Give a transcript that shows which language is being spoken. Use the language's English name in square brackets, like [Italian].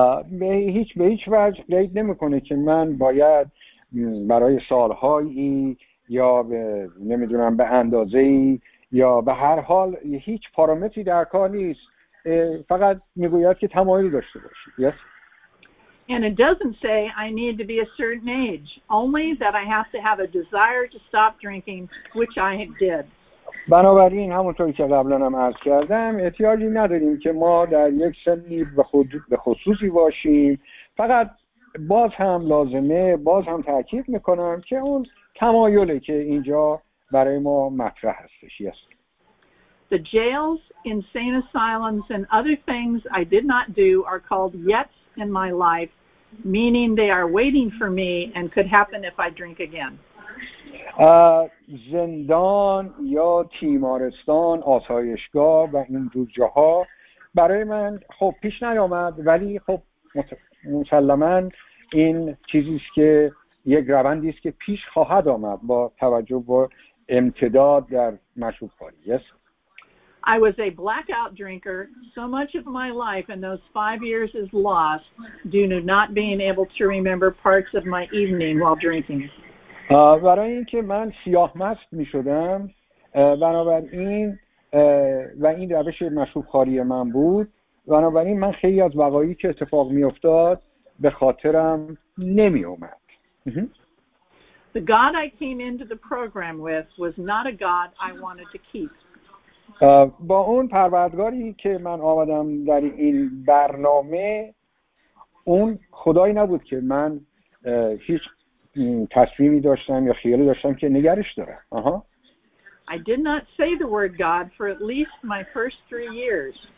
[Persian] به هیچ وجه قید نمی‌کنه که من باید برای سالهایی یا نمیدونم به اندازه‌ای یا به هر حال هیچ پارامتری در کار نیست، فقط میگوید که تمایل داشته باشید. [English] Yes. And it doesn't say I need to be a certain age, only that I have to have a desire to stop drinking, which I did. [Persian] بنابراین همونطوری که قبلا هم عرض کردم، احتیاجی نداریم که ما در یک سنی به خصوصی باشیم، فقط باز هم لازمه، باز هم تأکید میکنم که اون تمایلی که اینجا برای ما مطرح هستش. [English] Yes. The jails, insane asylums and other things I did not do are called yet in my life, meaning they are waiting for me and could happen if I drink again. [Persian] زندان یا تیمارستان، آسایشگاه و این جور جاها برای من خب پیش نیامد، ولی خب مسلماً این چیزیست که یک روندیست که پیش خواهد آمد با توجه به امتداد در مشروب خواری. [English] Yes. I was a blackout drinker. So much of my life in those 5 years is lost due to not being able to remember parts of my evening while drinking. [Persian] برای اینکه من سیاه مست می شدم، بنابراین و این روش مشروب خواری من بود، بنابراین من خیلی از وقایعی که اتفاق می افتاد به خاطرم نمی اومد. [English] The God I came into the program with was not a God I wanted to keep. [Persian] با اون پروردگاری که من آمدم در این برنامه، اون خدایی نبود که من هیچ تصویری داشتم یا خیالی داشتم که نگرش دارم. [English] I did not say the word God for at least my first 3 years.